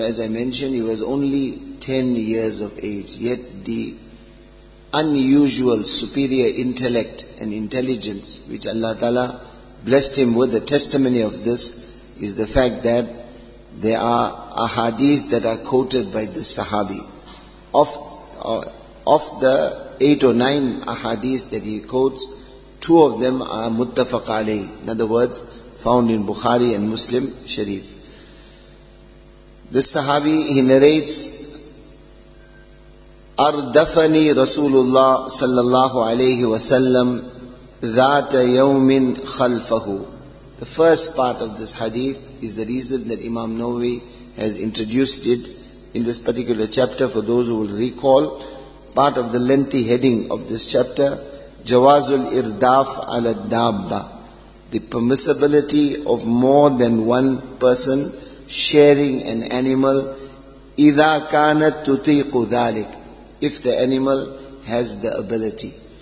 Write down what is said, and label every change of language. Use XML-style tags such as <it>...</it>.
<en>As I mentioned, he was only 10 years of age, yet the unusual superior intellect and intelligence which Allah Ta'ala blessed him with, the testimony of this is the fact that there are ahadith that are quoted by the sahabi. Of the 8 or 9 ahadith that he quotes, two of them are muttafaq alayhi. In other words, found in Bukhari and Muslim Sharif. This sahabi, he narrates,</en> <ar>أَرْدَفَنِي رَسُولُ اللَّهِ صَلَّى اللَّهُ عَلَيْهِ وَسَلَّمْ ذَاتَ يَوْمٍ خَلْفَهُ.</ar> <en>The first part of this hadith is the reason that Imam Nawawi has introduced it in this particular chapter. For those who will recall, part of the lengthy heading of this chapter,</en> <ar>جَوَازُ الْإِرْدَافِ عَلَى الدَّابَّةِ,</ar> <en>the permissibility of more than one person sharing an animal,</en> <ar>إِذَا كَانَتْ تُطِيقُ ذَلِكَ,</ar> <en>if the animal has the ability.</en>